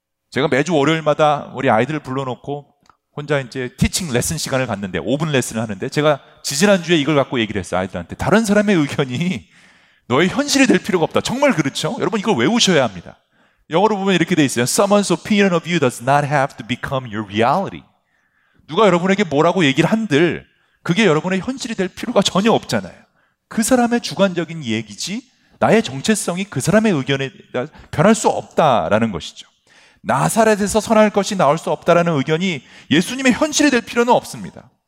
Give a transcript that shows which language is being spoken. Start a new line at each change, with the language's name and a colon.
Korean: 제가 매주 월요일마다 우리 아이들을 불러놓고 혼자 이제 티칭 레슨 시간을 갖는데, 5분 레슨을 하는데, 제가 지지난주에 이걸 갖고 얘기를 했어요. 아이들한테. 다른 사람의 의견이 너의 현실이 될 필요가 없다. 정말 그렇죠? 여러분, 이걸 외우셔야 합니다. 영어로 보면 이렇게 돼 있어요.
English: Someone's opinion of you does not have to become your reality.
Korean: 누가 여러분에게 뭐라고 얘기를 한들 그게 여러분의 현실이 될 필요가 전혀 없잖아요. 그 사람의 주관적인 얘기지 나의 정체성이 그 사람의 의견에 변할 수 없다라는 것이죠. 나사렛에서 선할 것이 나올 수 없다라는 의견이 예수님의 현실이 될 필요는 없습니다.